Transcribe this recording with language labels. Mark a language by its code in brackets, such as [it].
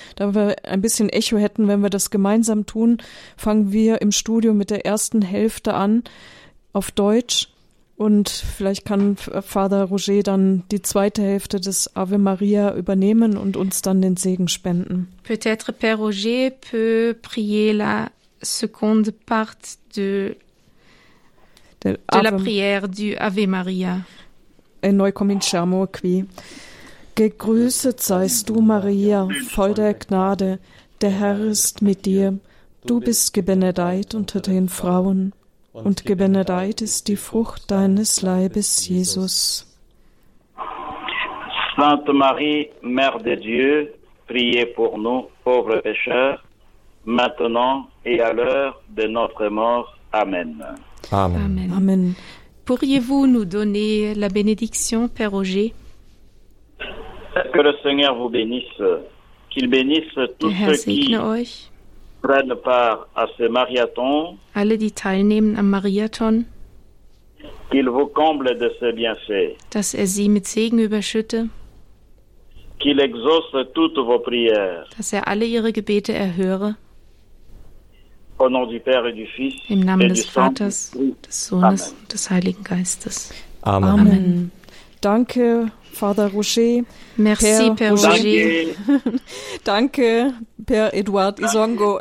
[de] Da wir ein bisschen Echo hätten, wenn wir das gemeinsam tun, fangen wir im Studio mit der ersten Hälfte an auf Deutsch und vielleicht kann Vater Roger dann die zweite Hälfte des Ave Maria übernehmen und uns dann den Segen spenden. [fr] Peut-être Père Roger peut prier la seconde part de la prière du Ave Maria. [it] E noi cominciamo qui. [de] Gegrüßet seist du, Maria, voll der Gnade, der Herr ist mit dir. Du bist gebenedeit unter den Frauen, und gebenedeit ist die Frucht deines Leibes, Jesus. [fr] Sainte Marie, Mère de Dieu, priez pour nous, pauvres pécheurs, maintenant et à l'heure de notre mort. Amen. Amen. Amen. Amen. Pourriez-vous nous donner la bénédiction, Père Roger? Que le Seigneur vous bénisse, qu'il bénisse tous ceux qui [de] euch. [fr] Prennent part à ce marathon. [de] Alle, die teilnehmen am Marathon. [fr] Qu'il vous comble de ses bienfaits. [de] Dass sie mit Segen überschütte. [fr] Qu'il exauce toutes vos prières. [de] Dass alle ihre Gebete erhöre. [fr] Au nom du Père et du Fils, [de] im Namen des Vaters, des Sohnes und des Heiligen Geistes. Amen. Amen. Amen. Danke, Vater Roger. [fr] Merci, Père Roger. [de] Danke. Danke, Père Eduard Isongo.